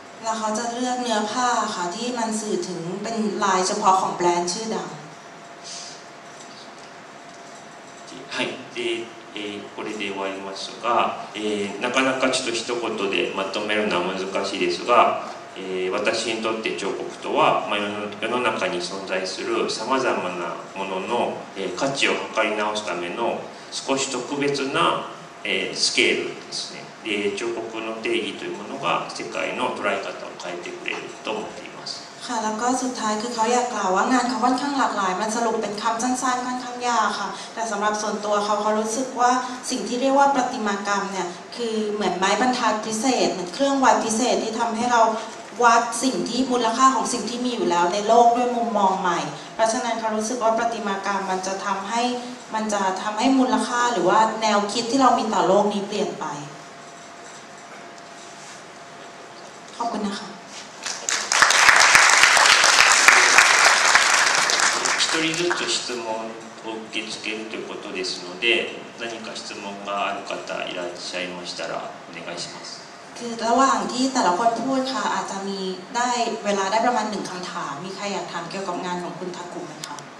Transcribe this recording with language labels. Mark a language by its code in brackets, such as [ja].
[th] แล้วเขาจะเลือกเนื้อผ้าค่ะที่มันสื่อถึงเป็นลายเฉพาะของแบรนด์ชื่อดัง [ja] はいでこれで終わりますが、なかなかちょっと一言でまとめるのは難しいですが、私にとって彫刻とは、まあ、世の中に存在するさまざまなものの、価値を測り直すための少し特別な、スケールですね。で、彫刻の定義というものが世界の捉え方を変えてくれると思っています。 [th] ค่ะแล้วก็สุดท้ายคือเขาอยากกล่าวว่างานเขาค่อนข้างหลากหลายมันสรุปเป็นคำสั้นๆค่อนข้างยากค่ะแต่สำหรับส่วนตัวเขารู้สึกว่าสิ่งที่เรียกว่าประติมากรรมเนี่ยคือเหมือนไม้บรรทัดพิเศษเหมือนเครื่องวัดพิเศษที่ทำให้เราวัดสิ่งที่มูลค่าของสิ่งที่มีอยู่แล้วในโลกด้วยมุมมองใหม่เพราะฉะนั้นเขารู้สึกว่าประติมากรรมมันจะทำให้มูลค่าหรือว่าแนวคิดที่เรามีต่อโลกนี้เปลี่ยนไปขอบคุณนะคะ [ja] 一人ずつ質問を受け付けるということですので、何か質問がある方いらっしゃいましたらお願いします。 [th] คือระหว่างที่แต่ละคนพูดค่ะอาจจะมีได้เวลาได้ประมาณ1คําถามมีใครอยากถามเกี่ยวกับงานของคุณทากุมั้ยคะ